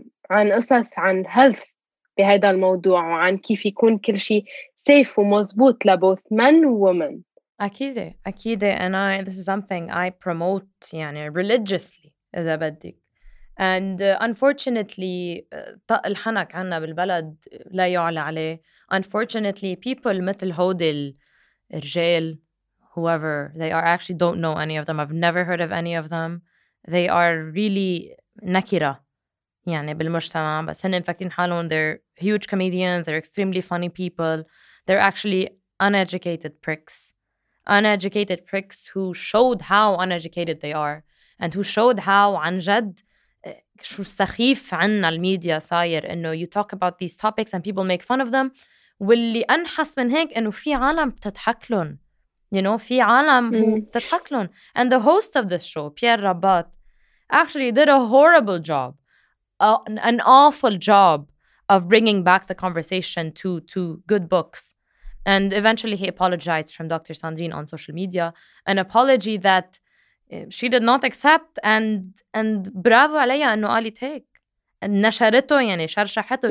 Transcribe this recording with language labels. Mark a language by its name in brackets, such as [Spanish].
[Arabic] عن قصص عن [English] health [Arabic] بهذا الموضوع وعن كيف يكون كل شيء [English] safe [Arabic] ومزبوط لبوث men وwomen. أكيد [English] and I this is something I promote [Arabic] يعني [English] religiously [Arabic] إذا بدك. [English] And unfortunately, [Arabic] طق الحنك عنا بالبلد لا يعلى عليه. [English] Unfortunately, people [Arabic] مثل هودل الرجال, [English] whoever they are, actually don't know any of them. I've never heard of any of them. They are really [Arabic] نكرة يعني بالمجتمع. بس هن مفكرين حالهم [English] they're huge comedians. They're extremely funny people. They're actually uneducated pricks. Uneducated pricks who showed how uneducated they are and who showed how [Arabic] عن جد شو سخيف عنا الميديا صاير إنه [English] you talk about these topics and people make fun of them. [Arabic] واللي أنحس من هيك إنه في عالم بتضحك لهم, [English] you know, [Arabic] في عالم بتضحك لهم. [English] And the host of this show, Pierre Rabat, actually did a horrible job, an awful job of bringing back the conversation to good books. And eventually he apologized from Dr. Sandrine on social media, an apology that she did not accept, and bravo [Arabic] عليها انه قالت هيك نشرته يعني شرشحته.